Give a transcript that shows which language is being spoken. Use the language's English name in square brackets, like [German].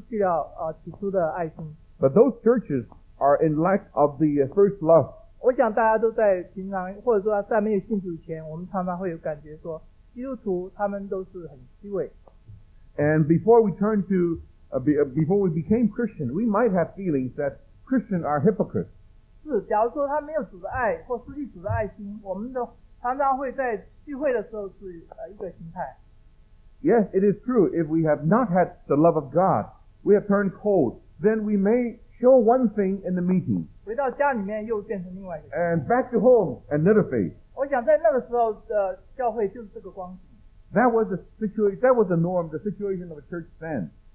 [English] But those churches are in lack of the first love. And before we became Christian, we might have feelings that Christians are hypocrites. [Chinese] 是，假如说他没有主的爱或失去主的爱心，我们的 常常会在聚会的时候是一个心态。 [English] Yes, it is true. If we have not had the love of God, we have turned cold, then we may show one thing in the meeting. [Chinese] 回到家里面又变成另外一个。 [English] And back to home, another face. [Chinese] 我想在那个时候的教会就是这个光景。 [English] That was the norm, the situation of a church then.